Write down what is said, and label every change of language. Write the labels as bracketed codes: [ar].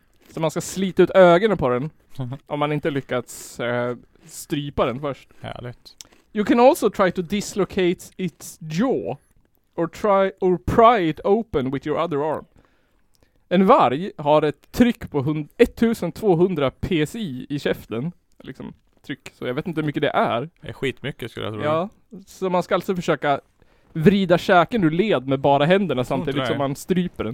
[sv] Så man ska slita ut ögonen på den om man inte lyckats strypa den först. Härligt. [en] You can also try to dislocate its jaw or pry it open with your other arm. [sv] En varg har ett tryck på 1200 psi i käften liksom. Tryck, så jag vet inte hur mycket det är. Det är skitmycket skulle jag tro. Ja, så man ska alltså försöka vrida käken ur led med bara händerna samtidigt som man stryper den.